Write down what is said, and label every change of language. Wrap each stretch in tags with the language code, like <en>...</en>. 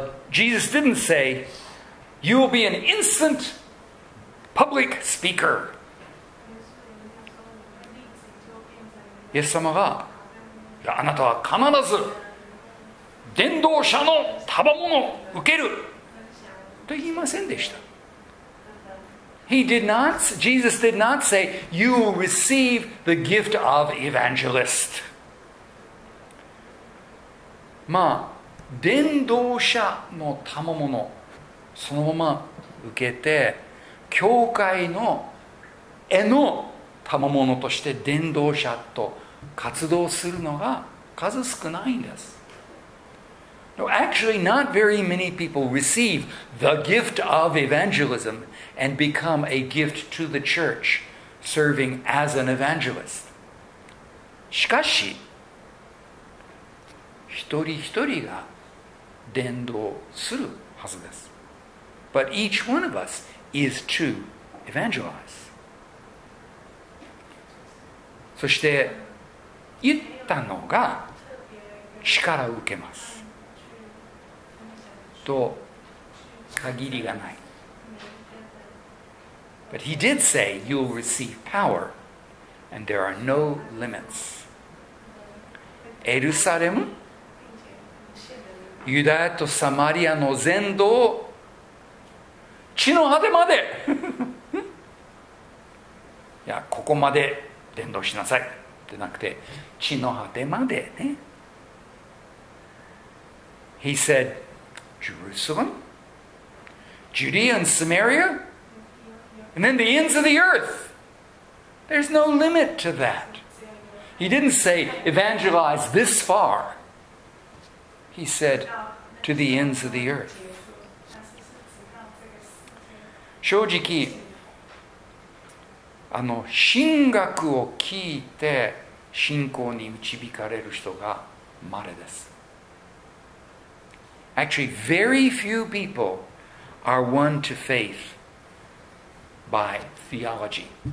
<en>Jesus didn't say, you will be an instant public speaker.</en> <ja>イエス様が、あなたは必ず伝道者の賜物を受けると言いませんでした。</ja> <en>He did not, Jesus did not say, you will receive the gift of evangelist.</en> <ja>まあ、伝道者の賜物そのまま受けて、教会の絵の賜物として伝道者と活動するのが数少ないんです。</ja> <en>No, actually, not very many people receive the gift of evangelism and become a gift to the church, serving as an evangelist.</en> <ja>しかし、一人一人が伝道するはずです。</ja> <en>But each one of us is to evangelize.</en> <ja>そして、言ったのが力を受けます。と限りがない。</ja> <en>But he did say, you'll receive power, and there are no limits.</en> <ja>エルサレム、ユダヤとサマリアの全土を地の果てまでいや、ここまで伝道しなさいってなくて、地の果てまでね。</ja> <en>He said,Jerusalem, Judea and Samaria, and then the ends of the earth. There's no limit to that. He didn't say evangelize this far. He said to the ends of the earth.</en> <ja>正直、あの神学を聞いて信仰に導かれる人がまれです。</ja> <en>Actually, very few people are won to faith by theology.</en>